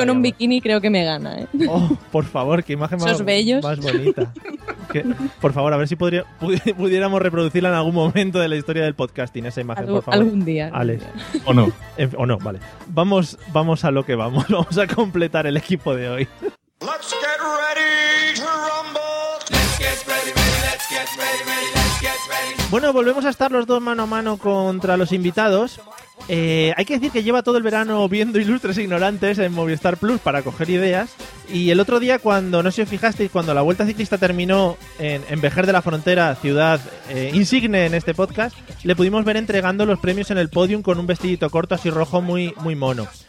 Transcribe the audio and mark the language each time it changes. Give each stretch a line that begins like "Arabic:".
Spanish: con un bikini creo que me gana, ¿eh? Oh, por favor, qué imagen más bonita. Que, por favor, a ver si pudiéramos reproducirla en algún momento de la historia del podcasting, esa imagen, por favor. Algún día. Alex. O no. Vale. Vamos a lo que vamos. Vamos a completar el equipo de hoy.
English: Let's get ready to rumble. Let's get ready, ready, let's get ready, ready.
Spanish: Bueno, volvemos a estar los dos mano a mano contra los invitados. Hay que decir que lleva todo el verano viendo Ilustres Ignorantes en Movistar Plus para coger ideas. Y el otro día, cuando, no sé si os fijasteis, cuando la Vuelta Ciclista terminó en Vejer de la Frontera, ciudad insigne en este podcast, le pudimos ver entregando los premios en el podium con un vestidito corto así rojo muy, muy mono.